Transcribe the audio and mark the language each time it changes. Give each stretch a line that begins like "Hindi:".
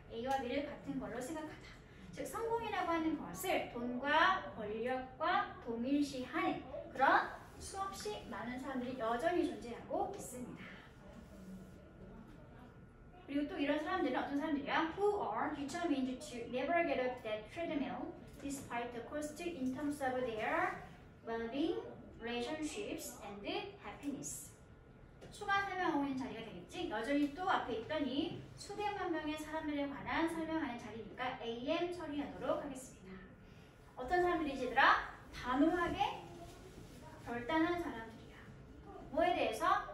Korean: A와 B를 같은 걸로 생각하다. 즉 성공이라고 하는 것을 돈과 권력과 동일시하는 그런 수없이 많은 사람들이 여전히 존재하고 있습니다. 그리고 또 이런 사람들은 어떤 사람들이야?
English: Who are determined to never get off that treadmill despite the cost in terms of their well-being, relationships, and happiness.
Korean: 추가 설명하고 있는 자리가 되겠지? 여전히 또 앞에 있던 이 수백만 명의 사람들에 관한 설명하는 자리니까 AM 처리하도록 하겠습니다. 어떤 사람들이지 얘들아? 단호하게 결단한 사람들이야. 뭐에 대해서?